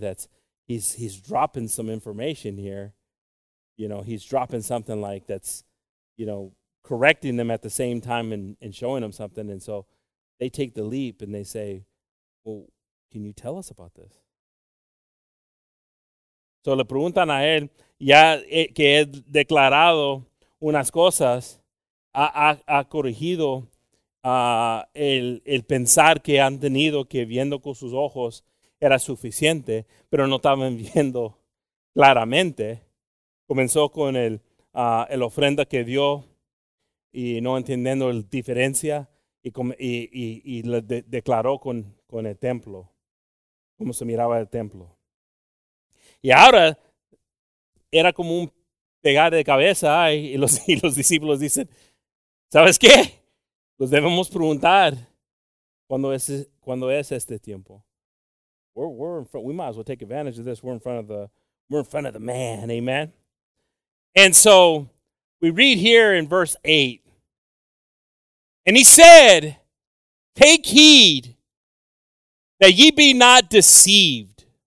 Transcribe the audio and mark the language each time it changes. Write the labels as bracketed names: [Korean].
[English] That's he's dropping some information here. You know, he's dropping something like that's, you know, correcting them at the same time and showing them something. And so they take the leap and they say, well, can you tell us about this? [Spanish] Entonces le preguntan a él, ya que he declarado unas cosas, ha corregido el pensar que han tenido que viendo con sus ojos era suficiente, pero no estaban viendo claramente. Comenzó con el ofrenda que dio y no entendiendo la diferencia y le declaró con el templo, cómo se miraba el templo. Y ahora era como un pegar de cabeza y los discípulos dicen, ¿sabes qué? Los debemos preguntar, ¿cuándo es este tiempo? [English] We're in front, we might as well take advantage of this. We're in front of the man, amen. And so we read here in verse 8. And he said, take heed that ye be not deceived.